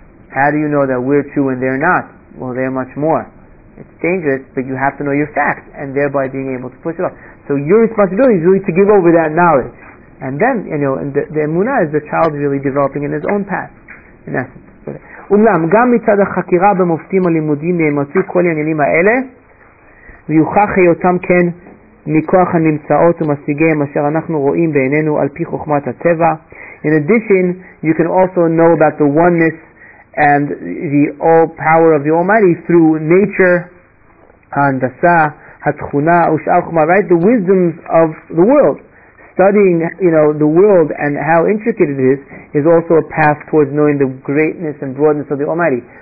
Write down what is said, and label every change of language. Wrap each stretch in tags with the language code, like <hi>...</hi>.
<en>How do you know that we're true and they're not? Well, they're much more. It's dangerous, but you have to know your facts, and thereby being able to push it off. So your responsibility is really to give over that knowledge. And then, you know, and the emunah is the child really developing in his own path, in essence.</en> <he>אומנם גם מצד החקירה במופתים הלימודים נאמצו כל העניינים האלה ויוכח היותם כן מכוח הנמצאות ומשיגיהם אשר אנחנו רואים בעינינו על פי חוכמת הטבע.</he> <en>In addition, you can also know about the oneness and the all power of the Almighty through nature,</en> <he>ההנדסה, התכונה ושאר חוכמה,</he> <en>right? The wisdoms of the world. Studying, you know, the world and how intricate it is also a path towards knowing the greatness and broadness of the Almighty.</en>